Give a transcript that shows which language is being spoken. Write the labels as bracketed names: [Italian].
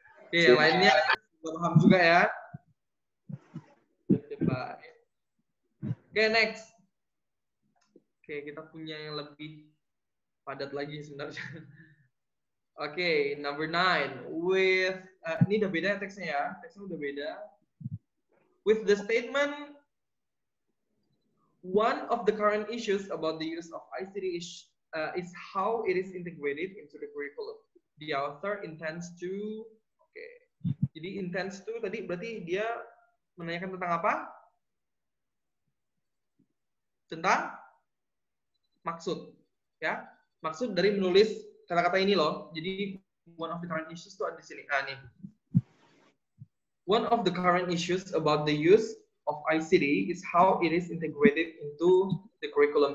[Indonesian] Oke, yang lainnya paham juga ya. Oke, next. Oke, kita punya yang lebih padat lagi sebenarnya. Oke, [English] okay, number 9. [Indonesian] With ini udah beda ya teksnya ya. Teksnya udah beda. [English] With the statement one of the current issues about the use of ICT is how it is integrated into the curriculum. The author intends to [Indonesian] Jadi intends to tadi berarti dia menanyakan tentang apa? Tentang maksud, ya. Maksud dari menulis kata-kata ini loh. Jadi [English] one of the current issues [Indonesian] tuh ada di sini. Ah, nih. [English] One of the current issues about the use of ICT is how it is integrated into the curriculum.